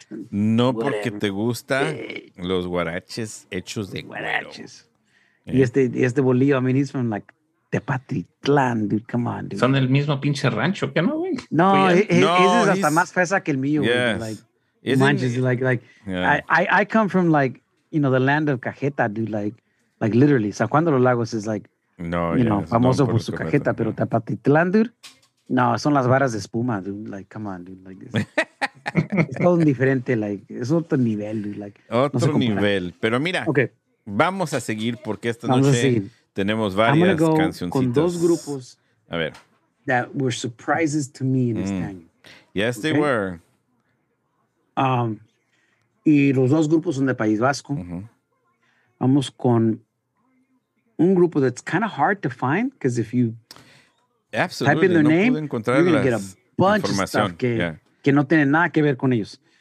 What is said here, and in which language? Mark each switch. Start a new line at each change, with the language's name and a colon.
Spanish: No porque te gusta los guaraches hechos de
English: guaraches. Yeah.
Spanish: Y este bolillo,
English: I mean, he's from like Tepatitlán, dude. Come on, dude.
Spanish: Son del mismo pinche rancho, ¿qué no, güey? No, ese es hasta más fresa que el mío, güey.
English: Yes. Like, manches, like yeah. I come from like, you know, the land of cajeta, dude. Like literally, San Juan de los Lagos is like, no, you know,
Spanish: famoso por su cajeta, pero
English: yeah. Tepatitlán, dude. No,
Spanish: son las varas de espuma,
English: dude. Like, come on, dude. Like this.
Spanish: Es todo un diferente, like, es otro nivel, dude.
English: Like,
Spanish: otro no sé nivel. Pero mira, okay. Vamos a seguir porque esta vamos noche tenemos varias cancioncitas. Con dos grupos. A ver.
English: That were surprises to me in this time. Yes, okay? They were.
Spanish: Y los dos grupos son de País Vasco.
English: Uh-huh.
Spanish: Vamos con un grupo
English: that's kind of hard to find because if you absolutely type in their name, you're going to get a bunch of stuff que, yeah.
Spanish: que no tiene nada que ver con ellos.